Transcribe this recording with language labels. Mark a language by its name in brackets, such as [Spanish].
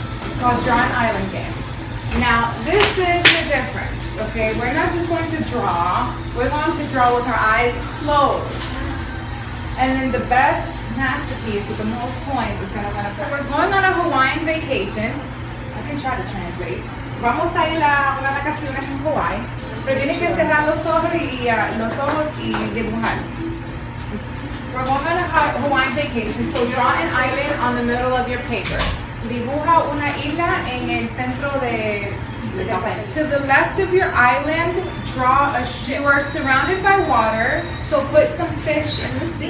[English] It's called Draw an Island Game. Now, this is the difference, okay? We're not just going to draw. We're going to draw with our eyes closed. And then the best masterpiece with the most points is gonna win us. So we're going on a Hawaiian vacation. I can try to translate. [Spanish] Vamos a ir a una vacación en Hawaii. Pero tienes que cerrar los ojos y dibujar. [English] We're going on a Hawaiian vacation, so draw an island on the middle of your paper. [Spanish] Dibuja una isla en el centro de... [English] To the left of your island, draw a ship. You are surrounded by water, so put some fish in the sea.